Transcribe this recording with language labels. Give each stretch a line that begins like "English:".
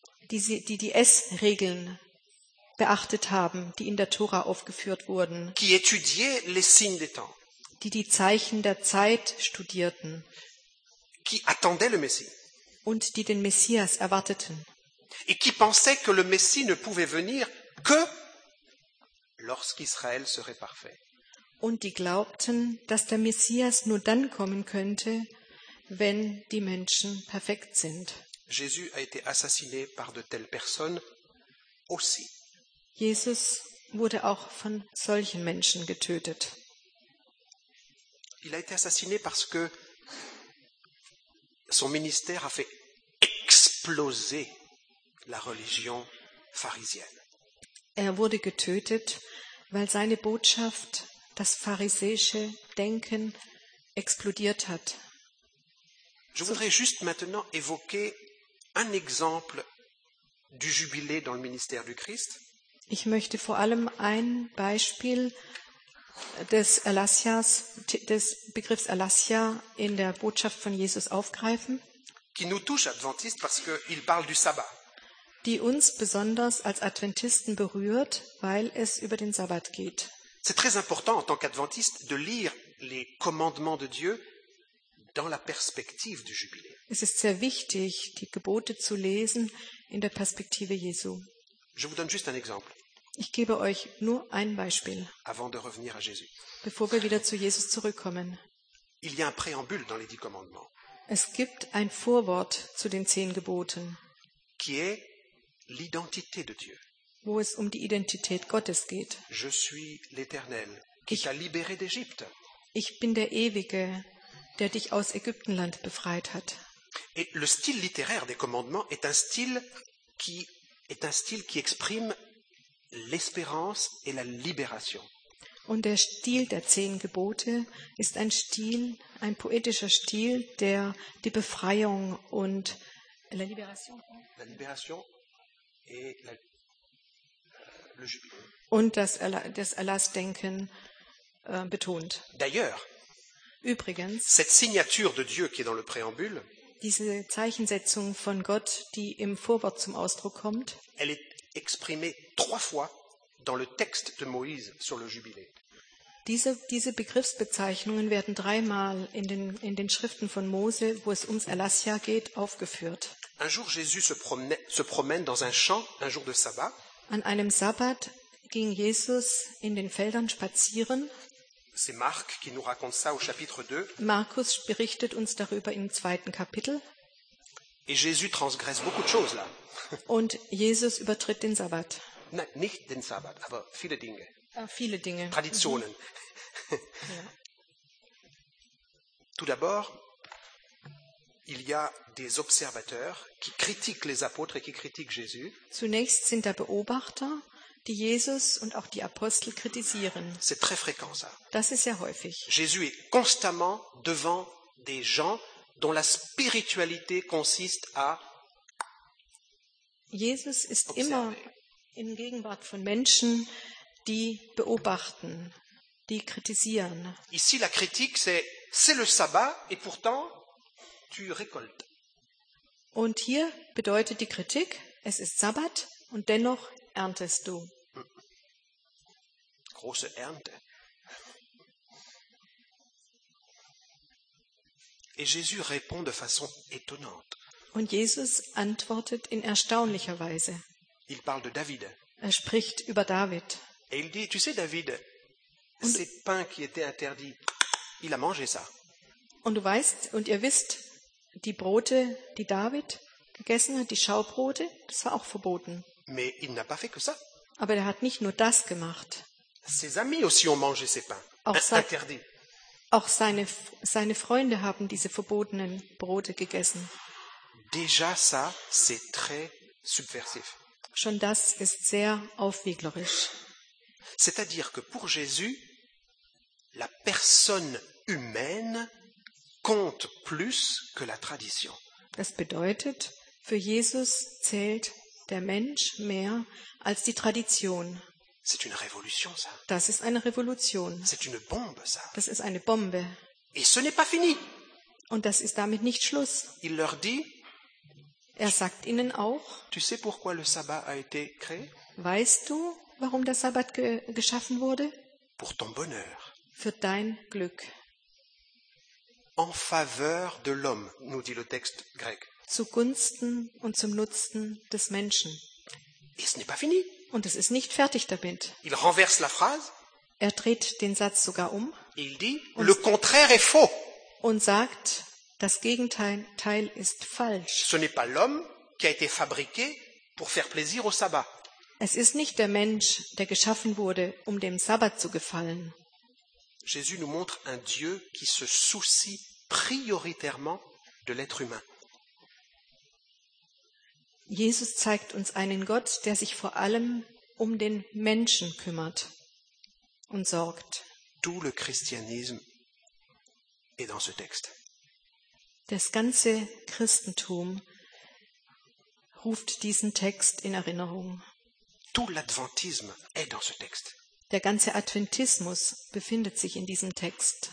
German: Die Essregeln beachtet haben, die in der Tora aufgeführt wurden.
French: Qui étudiaient les signes des temps?
German: Die Zeichen der Zeit studierten.
French: Qui attendaient le Messie?
German: Und die den Messias erwarteten.
French: Et qui pensaient que le Messie ne pouvait venir que lorsqu'Israël serait parfait.
German: Und die glaubten, dass der Messias nur dann kommen könnte, wenn die Menschen perfekt sind.
French: Jésus a été assassiné par de telles personnes aussi.
German: Jesus wurde auch von solchen Menschen getötet.
French: Il a été assassiné parce que son ministère a fait exploser la religion pharisienne.
German: Er wurde getötet, weil seine Botschaft das pharisäische Denken explodiert hat.
French: Je voudrais juste maintenant évoquer un exemple du jubilé dans le ministère du Christ.
German: Ich möchte vor allem ein Beispiel des Erlassjahrs, des Begriffs Erlassjahr in der Botschaft von Jesus aufgreifen.
French: Qui nous touche Adventiste parce que il parle du Sabbat.
German: Die uns besonders als Adventisten berührt, weil es über den Sabbat geht.
French: C'est très important en tant qu'adventiste de lire les commandements de Dieu dans la perspective du jubilé.
German: Es ist sehr wichtig, die Gebote zu lesen in der Perspektive Jesu.
French: Je vous donne juste un exemple.
German: Ich gebe euch nur ein Beispiel.
French: Avant de revenir à Jésus.
German: Bevor wir wieder zu Jesus zurückkommen.
French: Il y a un préambule dans les 10 commandements.
German: Es gibt ein Vorwort zu den 10 Geboten.
French: Qui est l'identité de Dieu.
German: Wo es um die Identität Gottes geht.
French: Je suis l'Éternel qui t'a libéré d'Égypte.
German: Ich bin der Ewige, der dich aus Ägyptenland befreit hat.
French: Et le style littéraire des commandements est un style qui exprime l'espérance et la libération.
German: Und der Stil der zehn Gebote ist ein Stil, ein poetischer Stil, der die Befreiung und
French: la libération. La libération et la, le jubilé.
German: Und das Erlassdenken betont.
French: D'ailleurs,
German: übrigens,
French: cette signature de Dieu qui est dans le préambule,
German: diese Zeichensetzung von Gott, die im Vorwort zum Ausdruck kommt,
French: elle est exprimée trois fois dans le texte de Moïse sur le jubilé.
German: Diese Begriffsbezeichnungen werden dreimal in den Schriften von Mose, wo es ums Erlassjahr geht, aufgeführt.
French: Un jour Jésus se promène dans un champ, un jour de Sabbat.
German: An einem Sabbat ging Jesus in den Feldern spazieren.
French: C'est Marc qui nous raconte ça au chapitre 2.
German: Markus berichtet uns darüber im zweiten Kapitel.
French: Et Jésus transgresse beaucoup de choses là.
German: Und Jesus übertritt den Sabbat. Nein, nicht den Sabbat, aber viele Dinge. Viele Dinge. Traditionen. Ja.
French: Tout d'abord, il y a des observateurs qui critiquent les apôtres et qui critiquent Jésus.
German: Zunächst sind da Beobachter, die Jesus und auch die Apostel kritisieren.
French: C'est très fréquent ça.
German: Das ist sehr häufig.
French: Jésus est constamment devant des gens dont la spiritualité consiste à
German: Jesus ist observer. Immer in Gegenwart von Menschen, die beobachten, die kritisieren.
French: Ici la critique c'est le sabbat et pourtant tu récoltes.
German: Und hier bedeutet die Kritik, es ist Sabbat und dennoch erntest du. Große Ernte.
French: Et Jésus répond de façon étonnante.
German: Und Jesus antwortet in erstaunlicher Weise.
French: Il parle de David.
German: Er spricht über David.
French: Et il dit, tu sais David,
German: und
French: ces pains qui étaient interdits, il a mangé ça.
German: Und du weißt, und ihr wisst, die Brote, die David gegessen hat, die Schaubrote, das war auch verboten.
French: Mais il n'a pas fait que ça.
German: Aber er hat nicht nur das gemacht.
French: Ses amis aussi ont mangé ces pains. Interdits.
German: Auch seine Freunde haben diese verbotenen Brote gegessen.
French: Déjà ça, c'est très subversif.
German: Schon das ist sehr aufwieglerisch.
French: C'est-à-dire que pour Jésus, la personne humaine compte plus que la tradition.
German: Das bedeutet, für Jesus zählt der Mensch mehr als die Tradition.
French: C'est une révolution, ça.
German: Das ist eine Revolution.
French: C'est une bombe, ça.
German: Das ist eine Bombe.
French: Et ce n'est pas fini.
German: Und das ist damit nicht Schluss.
French: Il leur dit,
German: er sagt ihnen auch,
French: tu sais pourquoi le sabbat a été créé?
German: Weißt du, warum der Sabbat geschaffen wurde?
French: Pour ton bonheur.
German: Für dein Glück.
French: En faveur de l'homme, nous dit le texte grec.
German: Zugunsten und zum Nutzen des Menschen.
French: Et ce n'est pas fini.
German: Und es ist nicht fertig damit.
French: Il renverse la phrase.
German: Er dreht den Satz sogar um.
French: Il dit, le contraire est faux.
German: Und sagt, das Gegenteil ist falsch.
French: Ce n'est pas l'homme qui a été fabriqué pour faire plaisir au sabbat.
German: Es ist nicht der Mensch, der geschaffen wurde, um dem Sabbat zu gefallen.
French: Jésus nous montre un Dieu qui se soucie prioritairement de l'être humain.
German: Jesus zeigt uns einen Gott, der sich vor allem um den Menschen kümmert und sorgt.
French: Tout le christianisme est dans ce texte.
German: Das ganze Christentum ruft diesen Text in Erinnerung.
French: Tout l'adventisme est dans ce texte.
German: Der ganze Adventismus befindet sich in diesem Text.